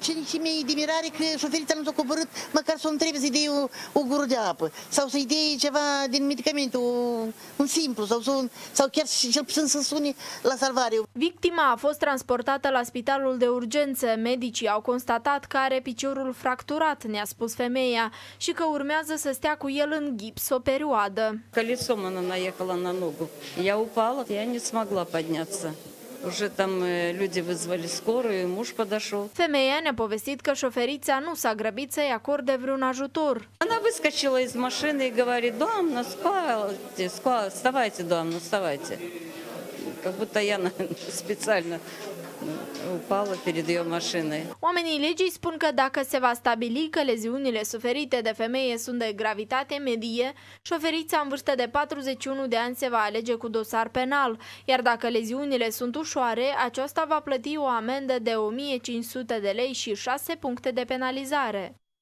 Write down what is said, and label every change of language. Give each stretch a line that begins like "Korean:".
Romanian: Ce nici mie admirare că șoferița nu s-a coborât măcar să o întrebe să-i dea o gură de apă sau să-i dea ceva din medicament, un simplu sau chiar cel puțin să sune la salvare. Victima a fost transportată la spitalul de urgență. Medicii au constatat că are piciorul fracturat, ne-a spus femeia, și că urmează să stea cu el în gips o perioadă.
Russian: Колесо мене наехало на ногу. Я упала. Я не смогла подняться. Уже там люди вызвали скорую, муж подошел.
Romanian: Femeia ne-a povestit că șoferița nu s-a grăbit să-i acorde vreun ajutor.
Russian: Она выскочила из машины и говорит: "Доамна, спайте, вставайте, доамна, вставайте". Как будто я специально упала перед ее машиной.
Romanian: Oamenii legii spun că dacă se va stabili că leziunile suferite de femeie sunt de gravitate medie, șoferița în vârstă de 41 de ani se va alege cu dosar penal, iar dacă leziunile sunt ușoare, aceasta va plăti o amendă de 1500 de lei și 6 puncte de penalizare.